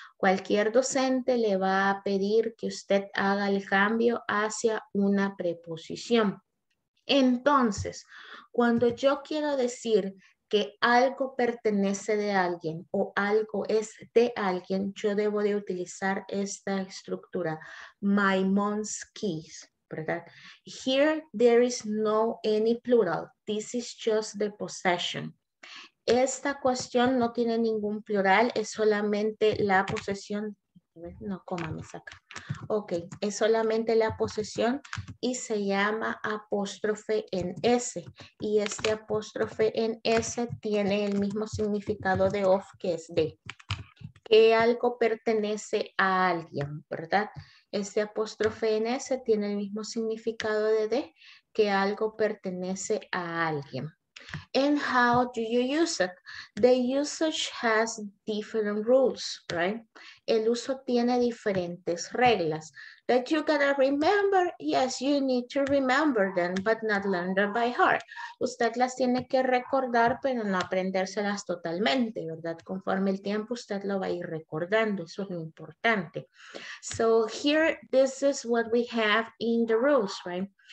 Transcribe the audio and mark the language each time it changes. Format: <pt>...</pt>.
<es>Cualquier docente le va a pedir que usted haga el cambio hacia una preposición. Entonces, cuando yo quiero decir que algo pertenece de alguien o algo es de alguien, yo debo de utilizar esta estructura,</es> <en>my mom's keys,</en> <es>¿verdad?</es> <en>Here there is no any plural, this is just the possession.</en> <es>Esta cuestión no tiene ningún plural, es solamente la posesión. No, cómame saca. Ok, es solamente la posesión y se llama apóstrofe en S. Y este apóstrofe en S tiene el mismo significado de of, que es de. Que algo pertenece a alguien, ¿verdad? Este apóstrofe en S tiene el mismo significado de, que algo pertenece a alguien.</es> <en>And how do you use it? The usage has different rules, right?</en> <es>El uso tiene diferentes reglas.</es> <en>That you gotta remember? Yes, you need to remember them, but not learn them by heart.</en> <es>Usted las tiene que recordar, pero no aprendérselas totalmente, ¿verdad? Conforme el tiempo, usted lo va a ir recordando. Eso es lo importante.</es> <en>So here, this is what we have in the rules, right?</en>